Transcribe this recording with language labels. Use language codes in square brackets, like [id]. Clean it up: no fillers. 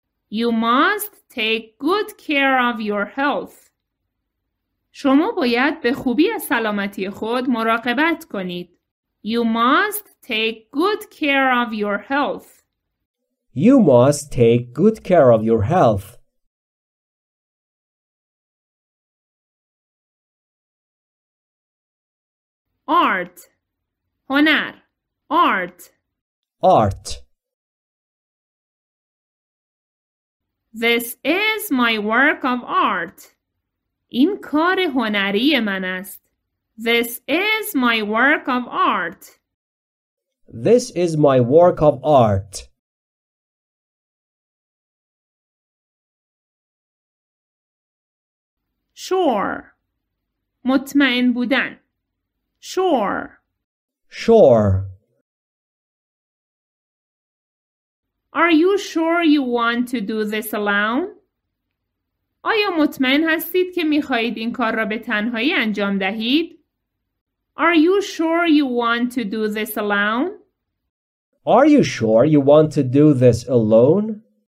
[en] You must take good care of your health. [fa] شما باید به خوبی از سلامتی خود مراقبت کنید. [en] You must take good care of your health. You must take good care of your health. Art. [fa] هنر. [en] Art. Art. This is my work of art. [fa] این کار هنری من است. [en] This is my work of art. This is my work of art. Sure. [fa] مطمئن بودن. [en] Sure. Sure. Are you sure you want to do this alone? [fa] آیا مطمئن هستید که می‌خواهید این کار را به تنهایی انجام دهید؟ [en] Are you sure you want to do this alone? Are you sure you want to do this alone?